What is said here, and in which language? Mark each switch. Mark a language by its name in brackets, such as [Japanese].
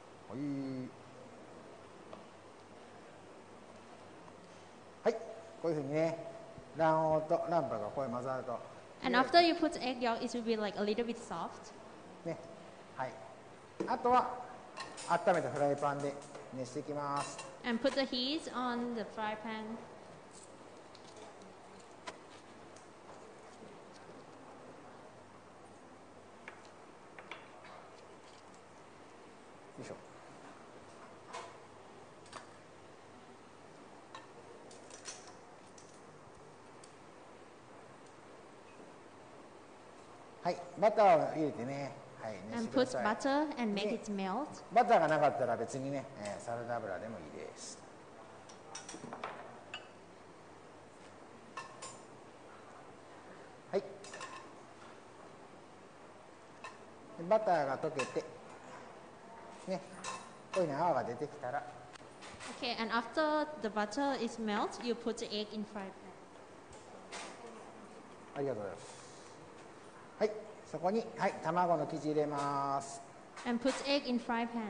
[Japanese] はい。はい、こういうふうにね。卵黄と卵白がこう混ざると。 [English] And after you put egg yolk, it will be like a little bit soft. [Japanese] ね、はい。あとは温めたフライパンで熱していきます。 [English] And put the heat on the fry pan. [Japanese] よいしょ。はい、バターを入れてね、はい、熱してください。 [English] And put butter and make it melt. [Japanese] バターがなかったら別にね、サラダ油でもいいです。はい。バターが溶けて、ね、こういうの泡が出てきたら。 [English] Okay, and after the butter is melt, you put the egg in fry pan. [Japanese] ありがとうございます。はい。そこに、はい、卵の生地入れます。 [English] And put egg in fry pan.